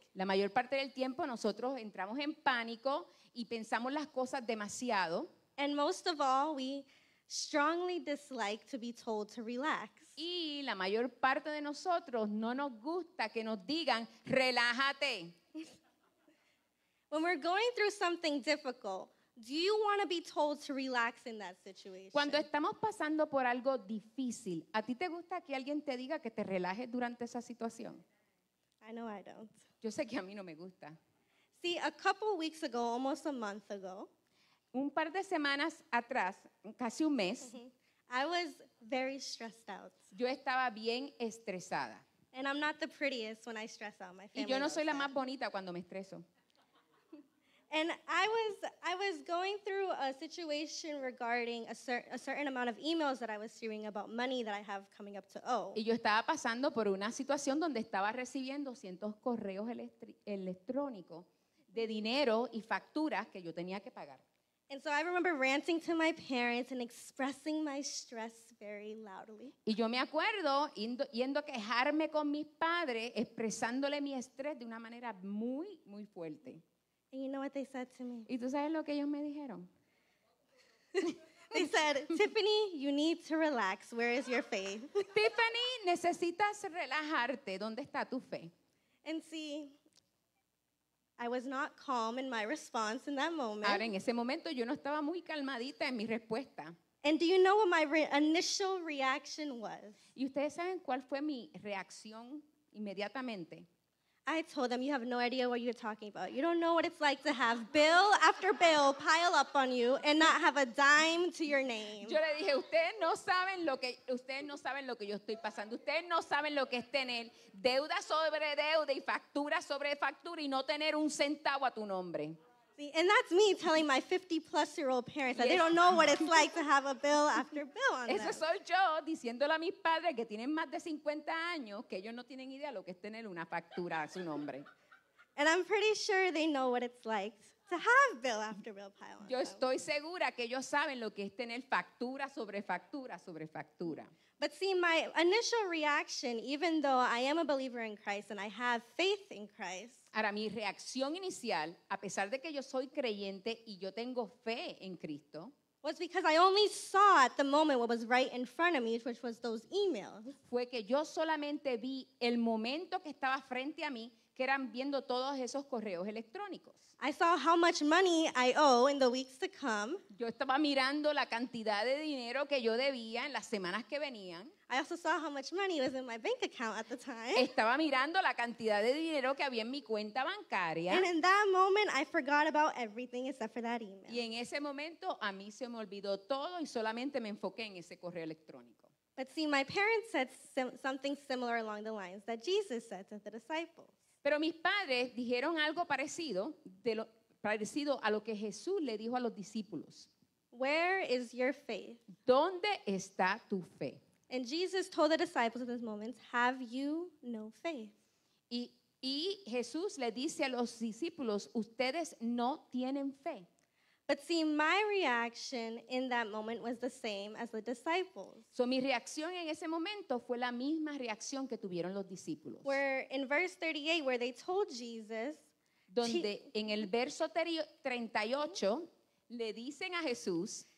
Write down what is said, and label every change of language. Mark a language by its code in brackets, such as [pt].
[es] La mayor parte del tiempo nosotros entramos en pánico y pensamos las cosas demasiado. [en] And most of all, we strongly dislike to be told to relax. [es] Y la mayor parte de nosotros no nos gusta que nos digan, relájate. [en] When we're going through something difficult, do you want to be told to relax in that situation? [es] Cuando estamos pasando por algo difícil, ¿a ti te gusta que alguien te diga que te relajes durante esa situación? [en] I know I don't. [es] Yo sé que a mí no me gusta. [en] See, a couple weeks ago, almost a month ago, [es] un par de semanas atrás, casi un mes, [en] I was very stressed out. [es] Yo estaba bien estresada. [en] And I'm not the prettiest when I stress out. My family [es] y yo no soy [en] that. [es] La más bonita cuando me estreso. [en] And I was going through a situation regarding a certain amount of emails that I was receiving about money that I have coming up to owe. [es] Y yo estaba pasando por una situación donde estaba recibiendo cientos correos electrónicos de dinero y facturas que yo tenía que pagar. [en] And so I remember ranting to my parents and expressing my stress very loudly. [es] Y yo me acuerdo yendo a quejarme con mis padres, expresándole mi estrés de una manera muy, muy fuerte. [en] And you know what they said to me? [es] ¿Y tú sabes lo que ellos me dijeron? [en] They said, Tiffany, you need to relax. Where is your faith? [es] Tiffany, necesitas relajarte. ¿Dónde está tu fe? [en] And see, I was not calm in my response in that moment. [es] Ahora, en ese momento, yo no estaba muy calmadita en mi respuesta. [en] And do you know what my initial reaction was? [es] ¿Y ustedes saben cuál fue mi reacción inmediatamente? [en] I told them, you have no idea what you're talking about. You don't know what it's like to have bill after bill pile up on you and not have a dime to your name. [es] Yo le dije, ustedes no saben lo que yo estoy pasando. Ustedes no saben lo que es tener deuda sobre deuda y factura sobre factura y no tener un centavo a tu nombre. [en] See, and that's me telling my 50-plus-year-old parents that they don't know what it's like to have a bill after bill on them. [es] Eso soy yo diciéndole a mis padres que tienen más de 50 años que ellos no tienen idea lo que es tener una factura a su nombre. [en] And I'm pretty sure they know what it's like to have bill after bill pile on [es] Yo estoy segura que ellos saben lo que es tener factura sobre factura sobre factura. [en] But see, my initial reaction, even though I am a believer in Christ and I have faith in Christ, [es] ahora, mi reacción inicial, a pesar de que yo soy creyente y yo tengo fe en Cristo, [en] was because I only saw at the moment what was right in front of me, which was those emails. [es] Fue que yo solamente vi el momento que estaba frente a mí, que eran viendo todos esos correos electrónicos. [en] I saw how much money I owe in the weeks to come. [es] Yo estaba mirando la cantidad de dinero que yo debía en las semanas que venían. [en] I also saw how much money was in my bank account at the time. [es] Estaba mirando la cantidad de dinero que había en mi cuenta bancaria. [en] And in that moment, I forgot about everything except for that email. [es] Y en ese momento, a mí se me olvidó todo y solamente me enfoqué en ese correo electrónico. [en] But see, my parents said something similar along the lines that Jesus said to the disciples. [es] Pero mis padres dijeron algo parecido a lo que Jesús le dijo a los discípulos. [en] Where is your faith? [es] ¿Dónde está tu fe? [en] And Jesus told the disciples at this moment, have you no faith? [es] Y Jesús le dice a los discípulos, ustedes no tienen fe. [en] But see, my reaction in that moment was the same as the disciples. [es] So mi reacción en ese momento fue la misma reacción que tuvieron los discípulos. [en] Where in verse 38, where they told Jesus, [es] donde en el verso 38 le dicen a Jesús,